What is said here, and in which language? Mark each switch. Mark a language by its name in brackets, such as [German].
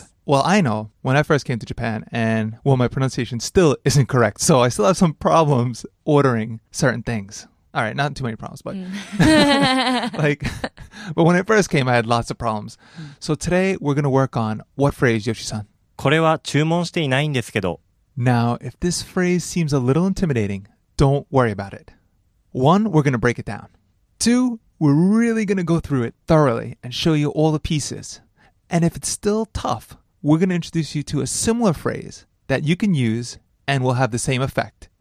[English] Because, well, I know, when I first came to Japan, and, well, my pronunciation still isn't correct, so I still have some problems ordering certain things. All right, not too many problems, but but when it first came, I had lots of problems. So today, we're going to work on what phrase, Yoshi-san? [Japanese] これは注文していないんですけど。 [English] Now, if this phrase seems a little intimidating, don't worry about it. One, we're going to break it down. Two, we're really going to go through it thoroughly and show you all the pieces. And if it's still tough, we're going to introduce you to a similar phrase that you can use and will have the same effect.